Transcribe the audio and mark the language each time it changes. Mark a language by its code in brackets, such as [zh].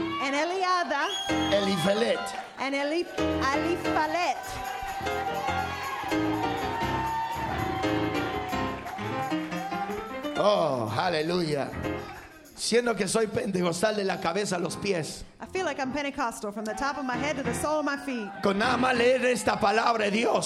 [en] And Eliada. Eliphelet. And Eliphelet. Oh, hallelujah. [es] Siendo que soy pentecostal de la cabeza a los pies. [en] I feel like I'm Pentecostal from the top of my head to the sole of my feet. [es] Con nada más leer esta palabra de Dios.